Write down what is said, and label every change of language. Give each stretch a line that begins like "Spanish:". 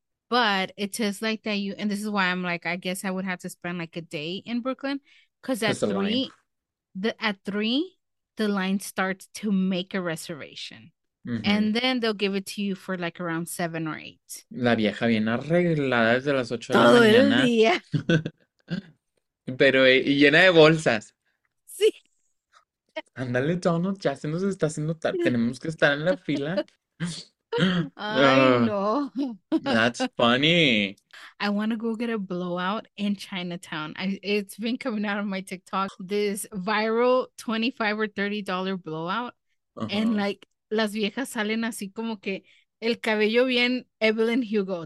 English: But it says like that you, and this is why I'm like, I guess I would have to spend like a day in Brooklyn. Cause Just a line. at three, the line starts to make a reservation. And then they'll give it to you for like around 7 or 8.
Spanish: La vieja bien arreglada desde las 8 de la mañana. Todo el día. Pero llena de bolsas. Ándale, Donald, ya se nos está haciendo tarde. Tenemos que estar en la fila. Ay, no.
English: That's funny. I want to go get a blowout in Chinatown. It's been coming out on my TikTok. This viral $25 or $30 blowout. And like,
Spanish: las viejas salen así como que el cabello bien
English: Evelyn Hugo.